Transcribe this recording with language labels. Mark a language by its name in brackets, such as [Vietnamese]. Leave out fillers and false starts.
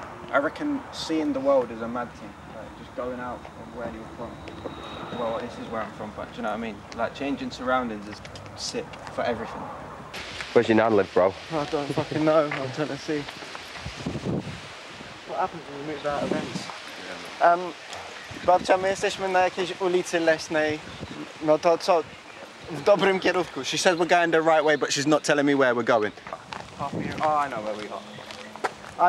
[English] I reckon seeing the world is a mad thing. Like just going out of where you're from. Well, this is where I'm from, but do you know what I mean? Like changing surroundings is sick for everything. Where's your nan live, bro? I don't fucking know, I'm trying to see. What happens when we move out of events? [Polish] Babcia, my jesteśmy na jakiejś ulicy Leśnej. No to co? W dobrym kierunku. [English] She says we're going the right way, but she's not telling me where we're going. Half a year. Oh, I know where we are.